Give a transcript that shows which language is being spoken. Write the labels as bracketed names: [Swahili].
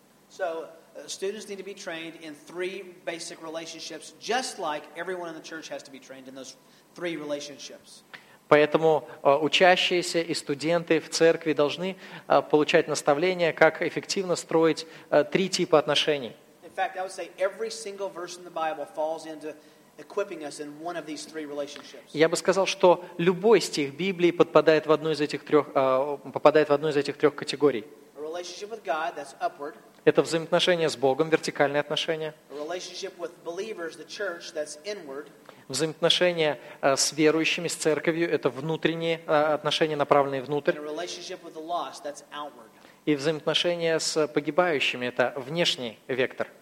[English] So students need to be trained in three basic relationships, just like everyone in the church has to be trained in those three relationships. [Russian] Поэтому учащиеся и студенты в церкви должны получать наставления, как эффективно строить три типа отношений. [English] In fact, I would say every single verse in the Bible falls into equipping us in one of these three relationships. [Russian] Я бы сказал, что любой стих Библии подпадает в одну из этих трех, попадает в одну из этих трех категорий. [English] A relationship with God that's upward. [Russian] Это взаимоотношения с Богом, вертикальные отношения. [English] Relationship with believers, the church, that's inward. [Russian] Взаимоотношения с верующими, с церковью, это внутренние отношения, направленные внутрь. [English] And a relationship with the lost, that's outward. [Russian] И взаимоотношения с погибающими, это внешний вектор.